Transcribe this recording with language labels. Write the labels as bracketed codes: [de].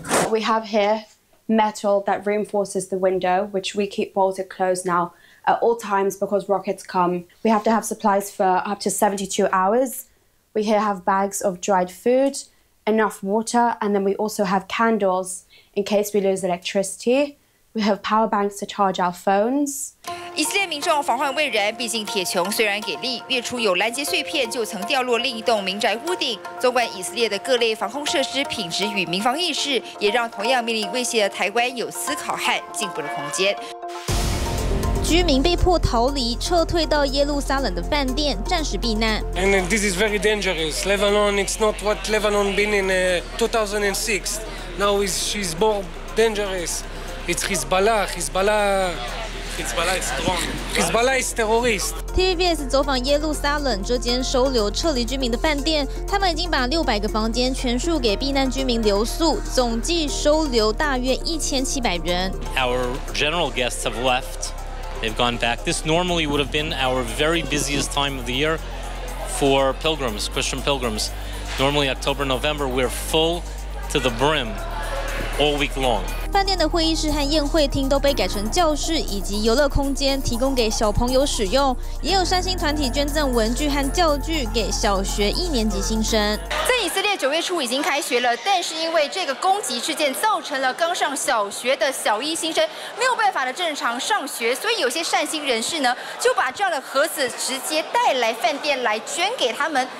[en] We have here metal that reinforces the window, which we keep bolted closed now at all times because rockets come. We have to have supplies for up to 72 hours. We here have bags of dried food. Enough water, and then we also have candles in case we lose electricity. We have power banks to charge our phones. [zh] 以色列民众防患未然，毕竟铁穹虽然给力，月初有拦截碎片就曾掉落另一栋民宅屋顶。纵观以色列的各类防空设施品质与民防意识，也让同样面临威胁的台湾有思考和进步的空间。居民被迫逃离，撤退到耶路撒冷的饭店暂时避难。 [en] And this is very dangerous. Lebanon, it's not what Lebanon been in 2006. Now is she's more dangerous. It's Hezbollah is terrorist. [zh] TVBS 走访耶路撒冷这间收留撤离居民的饭店，他们已经把600个房间全数给避难居民留宿，总计收留大约1700人。 [en] Our general guests have left. They've gone back. This normally would have been our very busiest time of the year for pilgrims, Christian pilgrims. Normally October, November, we're full to the brim all week long. [zh] 饭店的会议室和宴会厅都被改成教室以及游乐空间，提供给小朋友使用。也有善心团体捐赠文具和教具给小学一年级新生。在以色列九月初已经开学了，但是因为这个攻击事件造成了刚上小学的小一新生没有办法的正常上学，所以有些善心人士呢就把这样的盒子直接带来饭店来捐给他们。